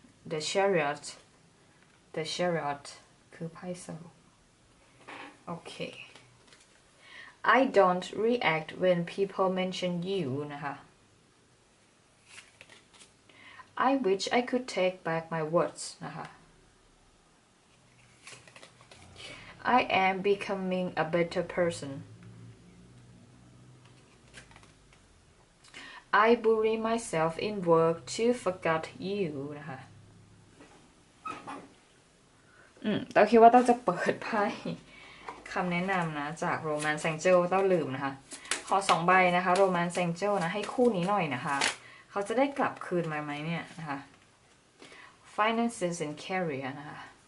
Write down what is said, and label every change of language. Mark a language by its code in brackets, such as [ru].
[en] The Chariot The Chariot [th] คือไพ่สรุปโอเค [en] I don't react when people mention you นะคะ I wish I could take back my words นะคะI am becoming a better person. I bury myself in work to forget you. [th] นะคะต้องคิดว่าต้องจะเปิดไพ่คำแนะนำนะจาก Romance Angel ต้องลืมนะคะขอสองใบนะคะ Romance Angel นะให้คู่นี้หน่อยนะคะเขาจะได้กลับคืนมาไหมเนี่ยนะคะ Finances and Career นะคะ